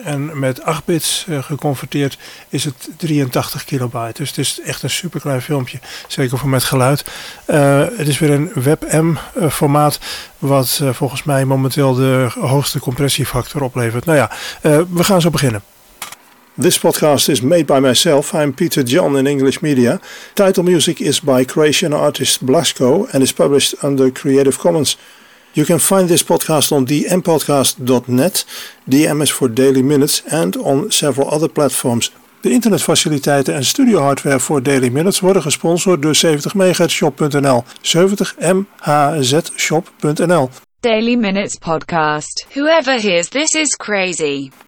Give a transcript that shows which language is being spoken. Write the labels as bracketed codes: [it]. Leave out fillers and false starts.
[nl] En met 8 bits geconverteerd is het 83 kilobyte. Dus het is echt een superklein filmpje. Zeker voor met geluid. Het is weer een WebM formaat. Wat volgens mij momenteel de hoogste compressiefactor oplevert. Nou ja, we gaan zo beginnen. [en] This podcast is made by myself. I'm Peter John in English Media. Title music is by Croatian artist Blasco and is published under Creative Commons. You can find this podcast on dmpodcast.net, DM is for Daily Minutes, and on several other platforms. [nl] De internetfaciliteiten en studio hardware voor Daily Minutes worden gesponsord door 70MHzShop.nl, 70MHzShop.nl. [en] Daily Minutes Podcast. Whoever hears this is crazy.